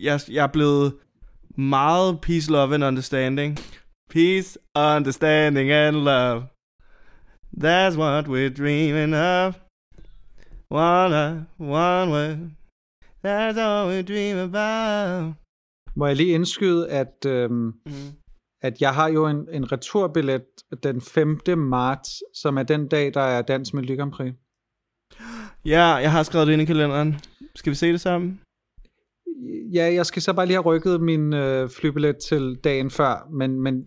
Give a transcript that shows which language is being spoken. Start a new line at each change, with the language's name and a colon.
Danish: Jeg er blevet meget
English: peace, love and understanding. Peace, understanding and love. That's what we're dreaming of. One life, one way. That's all we dream about.
Danish: Må jeg lige indskyde, at at jeg har jo en returbillet den 5. marts, som er den dag, der er Dansk Melodi Grand Prix. Ja, jeg har skrevet det ind i kalenderen. Skal vi se det sammen? Ja, jeg skal så bare lige have rykket min flybillet til dagen før. Men,